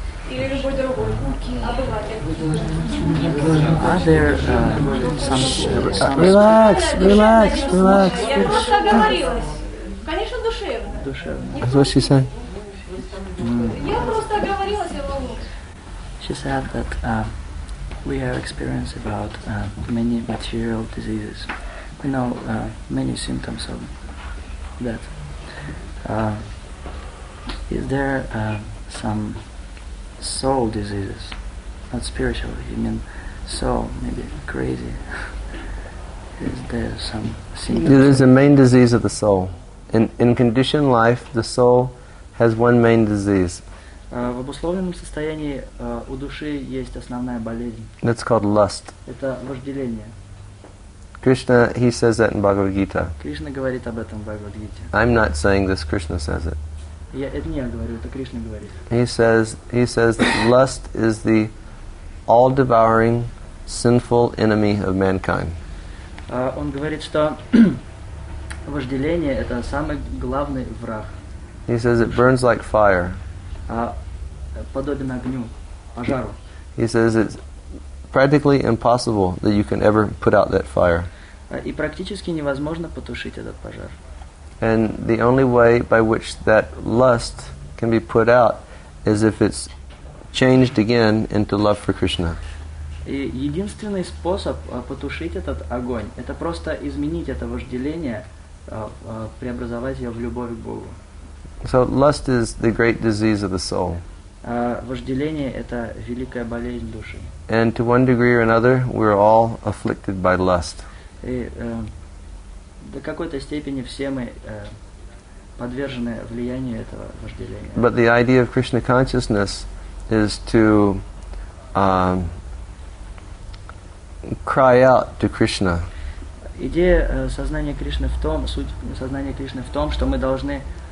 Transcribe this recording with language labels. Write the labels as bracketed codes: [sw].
[ru] Или любой другой обыватель. [en] Are there Relax. [ru] Я просто оговорилась. Конечно, душевно. [en] That's what she said. [ru] Я просто оговорилась, я волнуюсь. [en] She said that we have experience about many material diseases. We know many symptoms of that. Is there some soul diseases? Not spiritual, you mean soul, maybe crazy. Is there some symptoms? There's a main disease of the soul. In conditioned life, the soul has one main disease. [ru] В обусловленном состоянии у души есть основная болезнь. [en] That's called lust. [ru] Это вожделение. [en] Krishna, he says that in Bhagavad Gita. [ru] Кришна говорит об этом в Бхагавад Гите. [en] I'm not saying this, Krishna says it. [ru] Я это не я говорю, это Кришна говорит. [en] He says that lust is the all-devouring sinful enemy of mankind. [ru] Он говорит, что вожделение это самый главный враг. [en] He says it burns like fire. [ru] Подобен огню, пожару. [en] He says it's practically impossible that you can ever put out that fire. [ru] И практически невозможно потушить этот пожар. [en] And the only way by which that lust can be put out is if it's changed again into love for Krishna. [ru] И единственный способ потушить этот огонь — это просто изменить это вожделение, преобразовать его в любовь к Богу. [en] So lust is the great disease of the soul. [ru] Вожделение — это великая болезнь души. [en] And to one degree or another, we're all afflicted by lust. [ru] И до какой-то степени все мы подвержены влиянию этого вожделения. [en] But the idea of Krishna consciousness is to cry out to Krishna. [ru] Идея сознания Кришны в том, суть сознания Кришны в том, что мы должны